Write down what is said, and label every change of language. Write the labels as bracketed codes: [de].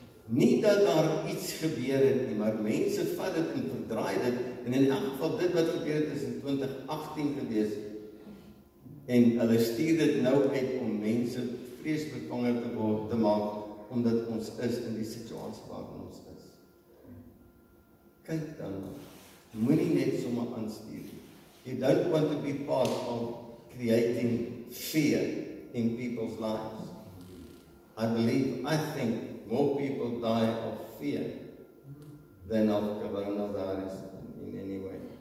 [af] Nie dat daar iets gebeur het nie, maar mense vat dit en verdraai dit, en in elk geval dit wat gebeur het is in 2018 gewees, en hulle stuur dit nou uit om mense vreesbevange te maak, omdat ons is in die situasie waar ons is. Kyk dan, moenie net sommer aanstuur nie. [en] You don't want to be part of creating fear in people's lives. I think more people die of fear than of coronavirus in any way.